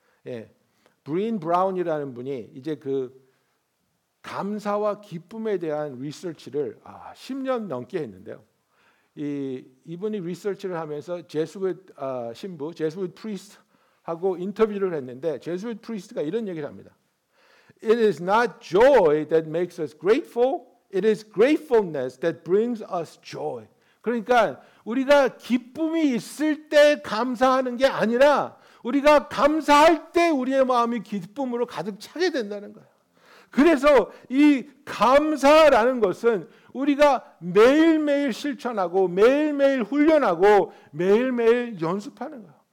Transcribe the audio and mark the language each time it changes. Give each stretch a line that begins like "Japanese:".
Korean: 예, 브린 브라운이라는 분이 이제 그 감사와 기쁨에 대한 리서치를 10년 넘게 했는데요. 이분이 리서치를 하면서 제수윗 프리스트 하고 인터뷰를 했는데, 제수윗 프리스트가 이런 얘기를 합니다.
English: It is not joy that makes us grateful. It is gratefulness that brings us joy.
Korean: 그러니까 우리가 기쁨이 있을 때 감사하는 게 아니라 우리가 감사할 때 우리의 마음이 기쁨으로 가득 차게 된다는 거예요. 그래서 이 감사라는 것은 우리가 매일매일 실천하고 매일매일 훈련하고 매일매일 연습하는 거예요.